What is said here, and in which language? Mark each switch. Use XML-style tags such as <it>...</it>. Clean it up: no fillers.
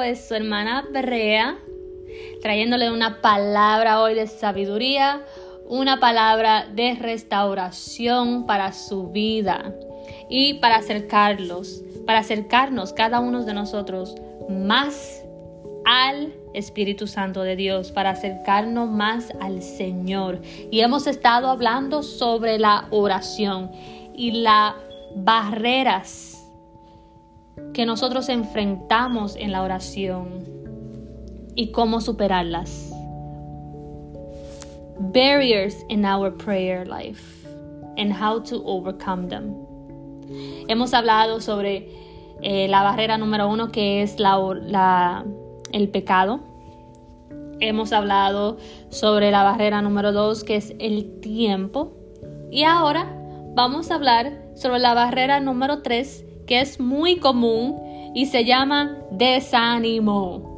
<es>Es su hermana Barrea, trayéndole una palabra hoy de sabiduría, una palabra de restauración para su vida y para acercarlos, para acercarnos cada uno de nosotros más al Espíritu Santo de Dios, para acercarnos más al Señor. Y hemos estado hablando sobre la oración y las barreras que nosotros enfrentamos en la oración y cómo superarlas.</es> <en>Barriers in our prayer life and how to overcome them.</en> <es>Hemos hablado sobre la barrera número uno, que es el pecado. Hemos hablado sobre la barrera número dos, que es el tiempo. Y ahora vamos a hablar sobre la barrera número tres, que es muy común y se llama desánimo.</es>